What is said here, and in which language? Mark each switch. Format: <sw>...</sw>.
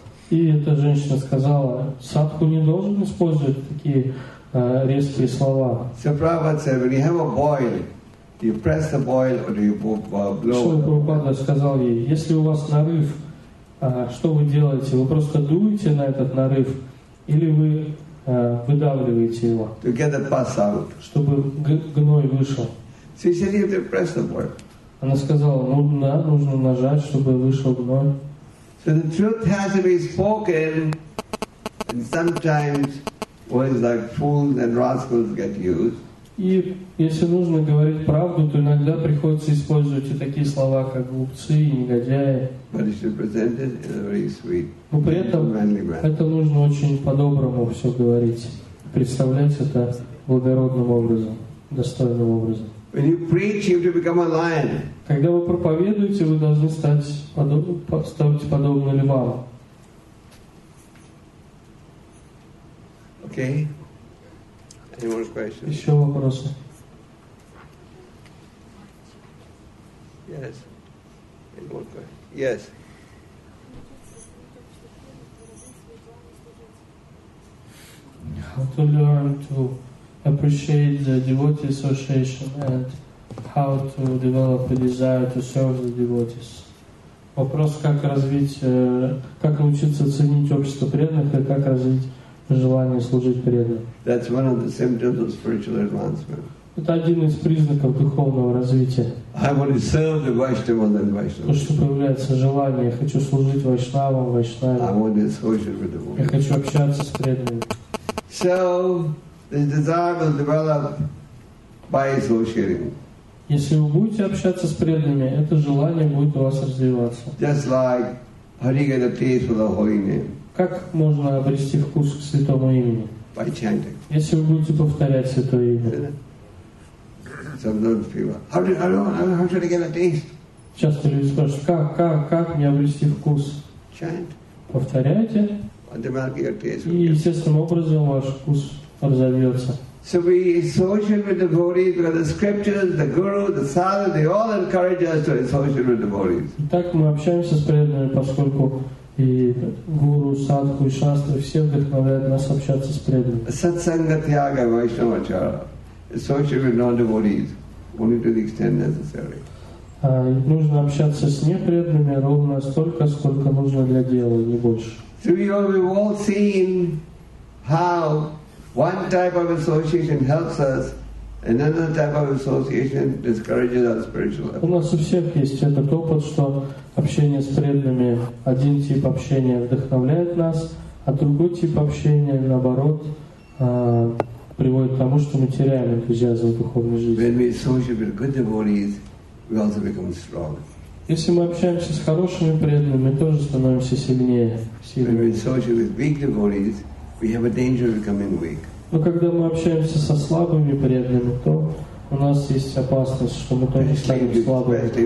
<ru>и эта женщина сказала, садху не должен использовать такие резкие слова.</ru> <en>So Prabhupada said, when you have a boil, do you press the boil or do you blow?</en> <ru>Шрила Прабхупада сказал ей, если у вас нарыв, что вы делаете? Вы просто дуете на этот нарыв или вы выдавливаете его?</ru> <en>To get the pus out.</en> <ru>Чтобы гной вышел.</ru> <en>So she said, you have to press the boil.</en> <ru>Она сказала, ну да, нужно нажать, чтобы вышел гной.</ru> <en>So the truth has to be spoken, and sometimes words like fools and rascals get used.</en> <ru>И если нужно говорить правду, то иногда приходится использовать и такие слова, как глупцы и негодяи.</ru> <en>But it should be presented in a very sweet,</en> <ru>но при этом это нужно очень по-доброму все говорить, представлять это благородным образом, достойным образом.</ru> <en>When you preach, you have to become a lion.</en> <ru>Когда вы проповедуете, вы должны стать подобно львам.</ru> <en>Okay. Any more questions?</en> <ru>Еще вопросы?</ru> <en>Yes. Any more questions? Yes. How to learn to appreciate the devotee association and how to develop a desire to serve the devotees.</en> <ru>Вопрос, как развить, как научиться ценить общество преданных и как развить желание служить преданным.</ru> <en>That's one of the symptoms of spiritual advancement.</en> <ru>Это один из признаков духовного развития.</ru> <en>I want to serve the Vaishnavas and Vaishnavas.</en> <ru>То, что появляется желание, я хочу служить Вайшнавам, Вайшнавам.</ru> <en>I want to associate with the devotees.</en> <ru>Я хочу общаться с преданными.</ru> <en>So, this desire will develop by associating.</en> <ru>Если вы будете общаться с преданными, это желание будет у вас развиваться.</ru> <en>Just like how do you get a taste for the holy name?</en> <ru>Как можно обрести вкус к святому имени?</ru> <en>By chanting.</en> <ru>Если вы будете повторять святое имя.</ru> <en>Sometimes people, how should I get a taste?</en> <ru>Часто люди спрашивают, как мне обрести вкус?</ru> <en>Chant.</en> <ru>Повторяйте.</ru> <en>Automatically your taste.</en> <ru>И естественным образом ваш вкус разовьется.</ru> <en>So we associate with devotees because the scriptures, the guru, the sadhu, they all encourage us to associate with devotees.</en> <ru>Так мы общаемся с преданными, поскольку и гуру, садху, и шастры все вдохновляют нас общаться с преданными.</ru> <sa>Satsanga tyaga vaishnava chara.</sa> <en>Associate with non-devotees only to the extent necessary.</en> <ru>Нужно общаться с непреданными ровно столько, сколько нужно для дела, не больше.</ru> <en>So we've all seen how one type of association helps us, and another type of association discourages our spiritual effort.</en> <ru>У нас у всех есть этот опыт, что общение с преданными, один тип общения вдохновляет нас, а другой тип общения, наоборот, приводит к тому, что мы теряем энтузиазм в духовной жизни.</ru> <en>When we associate with good devotees, we also become strong.</en> <ru>Если мы общаемся с хорошими преданными, мы тоже становимся сильнее.</ru> <en>When we associate with weak devotees, we have a danger of becoming weak.</en> <ru>Но когда мы общаемся со слабыми преданными, то у нас есть опасность, что мы тоже станем слабыми.</ru>